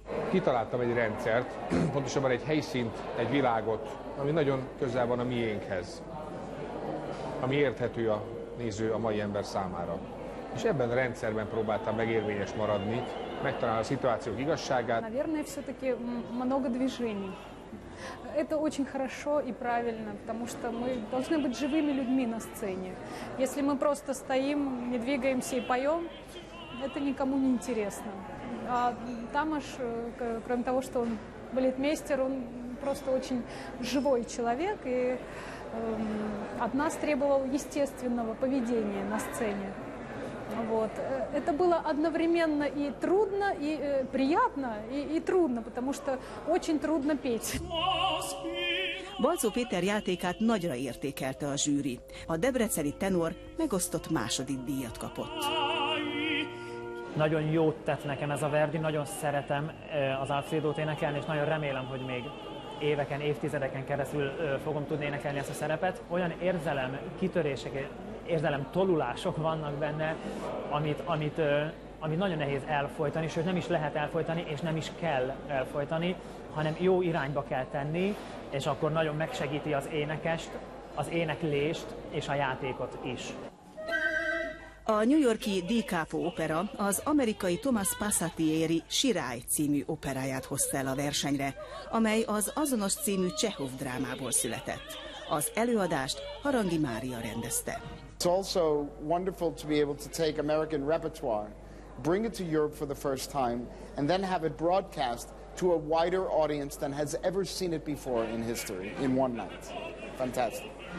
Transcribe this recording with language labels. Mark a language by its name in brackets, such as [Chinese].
[Hungarian] Kitaláltam egy rendszert, pontosabban egy helyszínt, egy világot, ami nagyon közel van a miénkhez, ami érthető a néző, a mai ember számára. És ebben a rendszerben próbáltam megérvényes maradni, megtalálni a szituációk igazságát. [Russian] Наверное, все-таки много движений. Это очень хорошо и правильно, потому что мы должны быть живыми людьми на сцене. Если мы просто стоим, не двигаемся и поем, это никому не интересно. А Тамаш, кроме того, что он балетмейстер, он просто очень живой человек, и от нас требовал естественного поведения на сцене. Вот. Это было одновременно и трудно, и приятно, и трудно, потому что очень трудно петь. [Hungarian] Balczó Péter játékát nagyra értékelte a zsűri. A debreceni tenor megosztott második díjat kapott. Nagyon jót tett nekem ez a Verdi, nagyon szeretem az Alfredót énekelni, és nagyon remélem, hogy még éveken, évtizedeken keresztül fogom tudni énekelni ezt a szerepet. Olyan érzelem kitörések, érzelem tolulások vannak benne, amit nagyon nehéz elfolytani, sőt nem is lehet elfolytani, és nem is kell elfolytani, hanem jó irányba kell tenni, és akkor nagyon megsegíti az énekest, az éneklést és a játékot is. A New York-i DiCapo opera az amerikai Thomas Passatieri Sirály című operáját hozta el a versenyre, amely az azonos című Csehov drámából született. Az előadást Harangi Mária rendezte. [English] It's also wonderful to be able to take American repertoire, bring it to Europe for the first time, and then have it broadcast to a wider audience than has ever seen it before in history in one night. Fantastic.